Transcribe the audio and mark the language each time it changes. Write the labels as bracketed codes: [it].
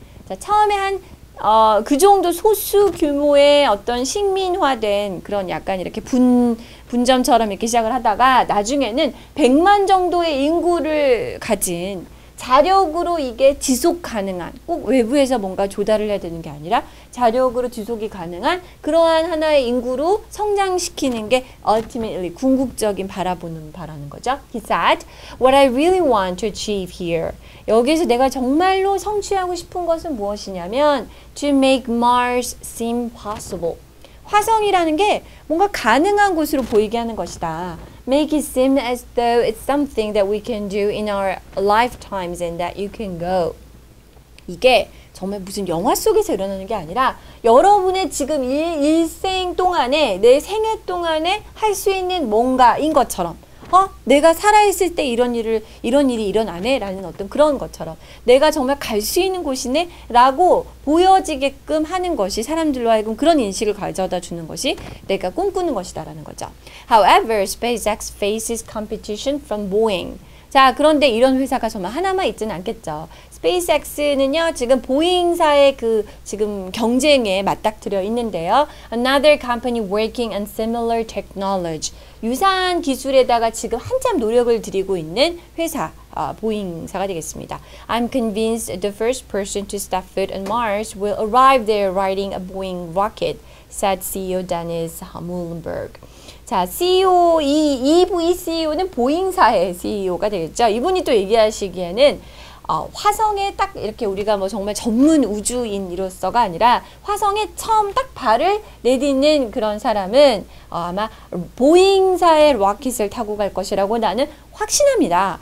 [ko] 자, 처음에 한 그 정도 소수 규모의 어떤 식민화된 그런 약간 이렇게 분점처럼 이렇게 시작을 하다가 나중에는 100만 정도의 인구를 가진 자력으로 이게 지속 가능한 꼭 외부에서 뭔가 조달을 해야 되는 게 아니라 자력으로 지속이 가능한 그러한 하나의 인구로 성장시키는 게 ultimately 궁극적인 바라보는 바라는 거죠. [en] He said, What I really want to achieve here. [ko] 여기에서 내가 정말로 성취하고 싶은 것은 무엇이냐면 [en] To make Mars seem possible. [ko] 화성이라는 게 뭔가 가능한 곳으로 보이게 하는 것이다. [en] Make it seem as though it's something that we can do in our lifetimes and that you can go. [ko] 이게 정말 무슨 영화 속에서 일어나는 게 아니라 여러분의 지금 일생 동안에 내 생애 동안에 할 수 있는 뭔가인 것처럼 내가 살아있을 때 이런 일이 일어나네? 라는 어떤 그런 것처럼 내가 정말 갈 수 있는 곳이네? 라고 보여지게끔 하는 것이 사람들로 하여금 그런 인식을 가져다 주는 것이 내가 꿈꾸는 것이다 라는 거죠. [en] However, SpaceX faces competition from Boeing. [ko] 자, 그런데 이런 회사가 정말 하나만 있지는 않겠죠. SpaceX는요, 지금 보잉사의 그 지금 경쟁에 맞닥뜨려 있는데요. [en] Another company working on similar technology. [ko] 유사한 기술에다가 지금 한참 노력을 들이고 있는 회사, 보잉사가 되겠습니다. [en] I'm convinced the first person to step foot on Mars will arrive there riding a Boeing rocket, said CEO Dennis Muhlenberg. [ko] 자, CEO, 이 CEO는 보잉사의 CEO가 되겠죠. 이분이 또 얘기하시기에는 화성에 딱 이렇게 우리가 뭐 정말 전문 우주인으로서가 아니라 화성에 처음 딱 발을 내딛는 그런 사람은 아마 보잉사의 로켓을 타고 갈 것이라고 나는 확신합니다.